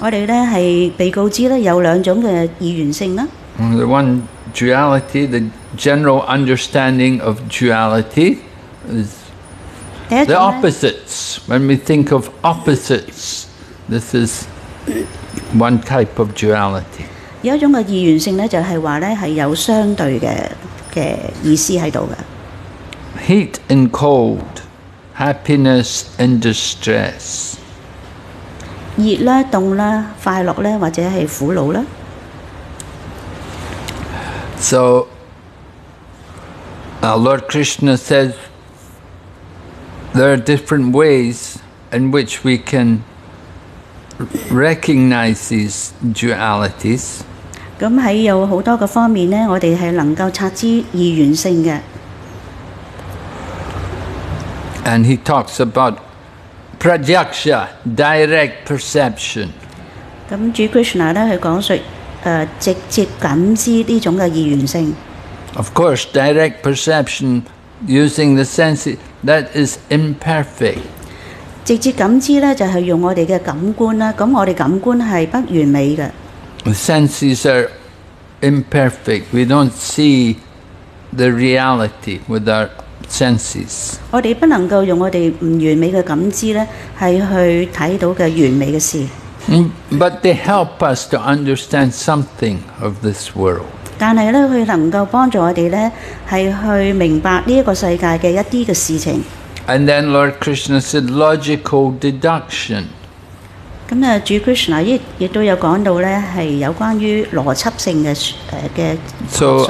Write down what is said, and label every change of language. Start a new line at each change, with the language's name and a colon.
Cantonese: 我哋咧系被告知咧有两种嘅二元性啦。
English: The one duality, the general understanding of duality, is the opposites. When we think of opposites, this is one type of duality.
Cantonese: 有一种嘅二元性咧，就系话咧系有相对嘅意思喺度嘅。
English: Heat and cold, happiness and distress.
Cantonese: 熱啦、凍啦、快樂啦，或者係苦惱啦。
English: So, Lord Krishna says there are different ways in which we can recognize these dualities.
Cantonese: 咁喺有好多嘅方面咧，我哋係能夠察知二元性嘅。
English: And he talks about. Pratyaksha, direct perception.
Cantonese: 咁主 Krishna 咧，佢講述直接感知呢種嘅二元性。
English: Of course, direct perception using the senses that is imperfect.
Cantonese: 直接感知咧就係用我哋嘅感官啦。咁我哋感官係不完美嘅。
English: The senses are imperfect. We don't see the reality with our senses.
Cantonese: 我哋不能够用我哋唔完美嘅感知咧，系去睇到嘅完美嘅事。
English: But they help us to understand something of this world.
Cantonese: 但系咧，佢能够帮助我哋咧，系去明白呢一个世界嘅一啲嘅事情。
English: And then Lord Krishna said, logical deduction.
Cantonese: 咁啊，主Krishna亦都有讲到咧，系有关于逻辑性嘅嘅。So